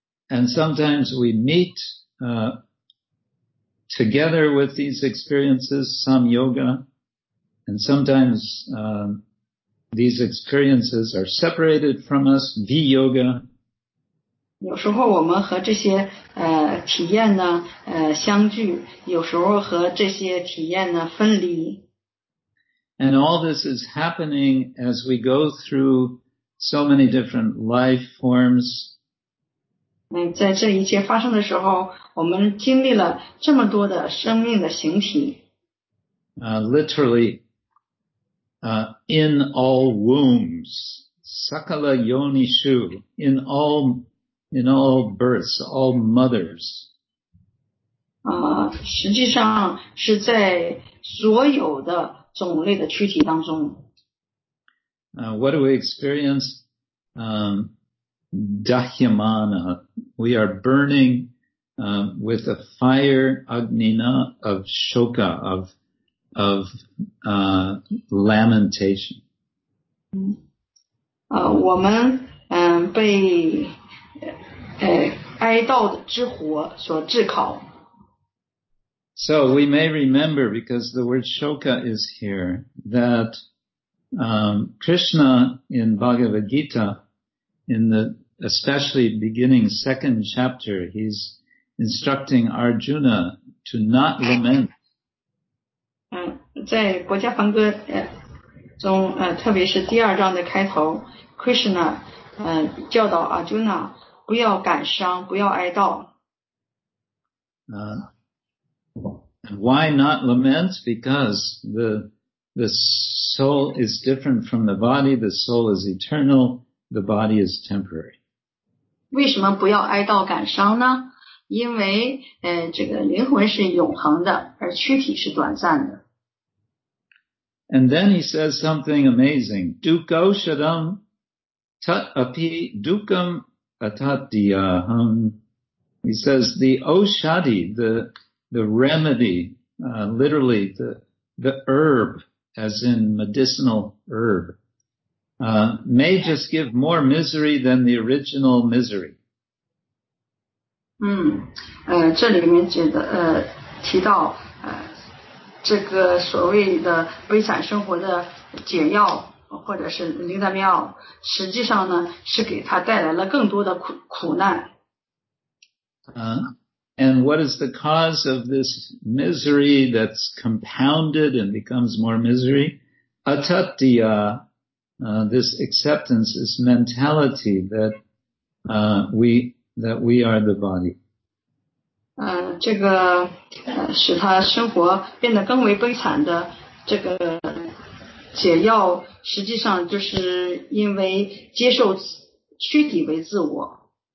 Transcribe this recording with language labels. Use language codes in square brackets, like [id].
[en] And sometimes we meet together with these experiences, samyoga, and sometimes these experiences are separated from us, viyoga. [zh] 有时候我们和这些体验呢相聚，有时候和这些体验呢分离。 [en] And all this is happening as we go through so many different life forms. [zh] 在这一切发生的时候，我们经历了这么多的生命的形体。 [en] Literally, in all wombs, [sa] sakala yonishu, [en] in all births, all mothers. [zh] 实际上是在所有的种类的躯体当中。 [en] What do we experience? Dahyamana. We are burning with a fire agnina of shoka, of lamentation. [zh] 我们被哀悼之火所炙烤。 [en] So we may remember, because the word shoka is here, that Krishna in Bhagavad Gita, in the especially beginning second chapter, he's instructing Arjuna to not lament. [zh] 在国家梵歌中特别是第二章的开头 Krishna 教导 Arjuna 不要感伤不要哀悼。 [en] Why not lament? Because the soul is different from the body, the soul is eternal, the body is temporary. [zh] 为什么不要哀悼感伤呢？因为这个灵魂是永恒的，而躯体是短暂的。 [en] And then he says something amazing. [sa] Dukkhaushadham tat api dukkham atatiyaham. [en] He says the oshadi, the remedy, literally the herb, as in medicinal herb, may just give more misery than the original misery. [zh] 这里面指的提到这个所谓的悲惨生活的解药或者是灵丹妙实际上呢是给他带来了更多的苦难。 [en] And what is the cause of this misery that's compounded and becomes more misery? Atatiya, this acceptance, this mentality that, we are the body. [zh] 这个使他生活变得更为悲惨的这个解药实际上就是因为接受躯体为自我。